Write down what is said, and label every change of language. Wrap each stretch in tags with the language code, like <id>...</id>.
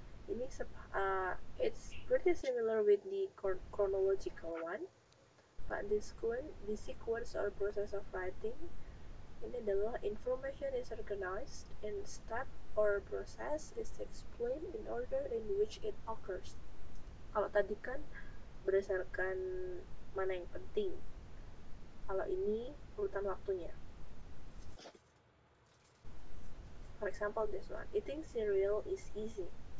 <en>Ini it's pretty similar with the chronological one, but the sequence or process of writing,</en> <id>ini adalah</id> <en>information is organized in step or process is explained in order in which it occurs.</en> <id>Kalau tadi kan berdasarkan mana yang penting, kalau ini urutan waktunya.</id> <en>For example, this one, eating cereal is easy.</en>